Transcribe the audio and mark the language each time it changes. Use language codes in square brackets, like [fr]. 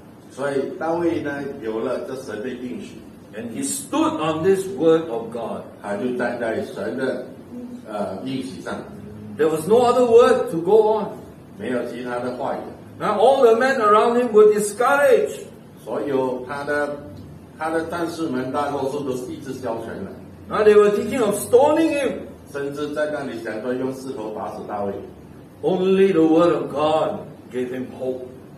[zh] 所以大卫呢,有了这神的应许。 [en] And he stood on this word of God. [zh] 他就站在神的应许上。 [en] There was no other word to go on. [zh] 没有其他的话语。 [en] Now all the men around him were discouraged. [zh] 所有他的战士们大多数都是意志消沉了。 [en] Now they were thinking of stoning him. [zh] 甚至在那里想说用石头打死大卫。 [en] Only the word of God gave him hope.